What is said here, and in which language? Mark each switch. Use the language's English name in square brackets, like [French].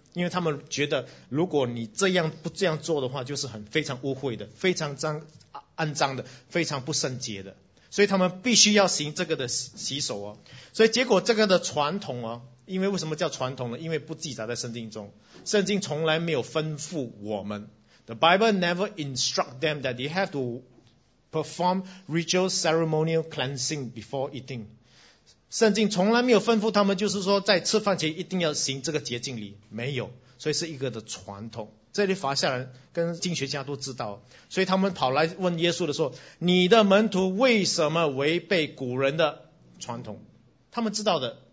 [Chinese] 因为他们觉得如果你这样不这样做的话，就是很非常污秽的，非常脏肮脏的，非常不圣洁的，所以他们必须要行这个的洗手哦。所以结果这个的传统哦，因为为什么叫传统呢？因为不记载在圣经中，圣经从来没有吩咐我们。 [English] The Bible never instruct them that they have to perform ritual ceremonial cleansing before eating。 [Chinese] 圣经从来没有吩咐他们，就是说在吃饭前一定要行这个洁净礼，没有。所以是一个的传统，这里法利赛人跟经学家都知道，所以他们跑来问耶稣的说，你的门徒为什么违背古人的传统，他们知道的。